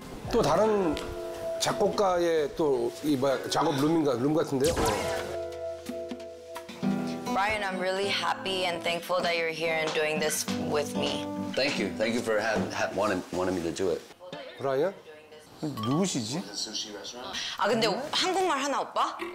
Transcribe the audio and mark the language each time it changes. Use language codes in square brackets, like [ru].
[ko] 또 다른 작곡가의 또 이 뭐야 작업 룸인가 룸 같은데요. [en] Ryan, I'm really happy and thankful that you're here and doing this with me. Thank you. Thank you for wanting me to do it. [ko] Ryan? 누구시지? 아, 근데 한국말 하나 오빠?